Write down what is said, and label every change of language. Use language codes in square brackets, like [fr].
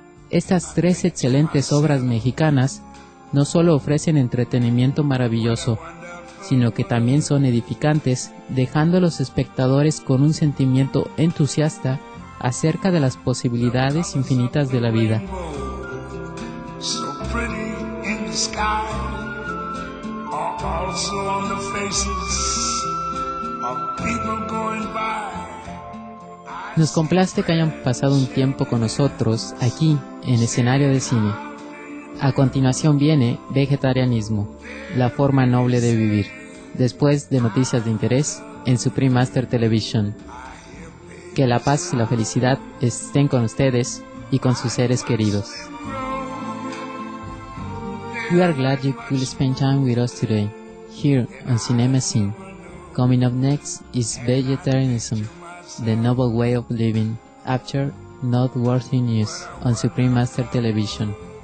[es] Estas tres excelentes obras mexicanas no solo ofrecen entretenimiento maravilloso, sino que también son edificantes, dejando a los espectadores con un sentimiento entusiasta acerca de las posibilidades infinitas de la vida. [en] So pretty in the sky, are also on the faces of people going by. [es] Nos complace que hayan pasado un tiempo con nosotros aquí en Escenario de Cine. A continuación viene Vegetarianismo, la forma noble de vivir, después de Noticias de Interés en Supreme Master Television. Que la paz y la felicidad estén con ustedes y con sus seres queridos. [en] We are glad you could spend time with us today, here on Cinema Scene. Coming up next is Vegetarianism, the noble way of living, after Noteworthy News on Supreme Master Television.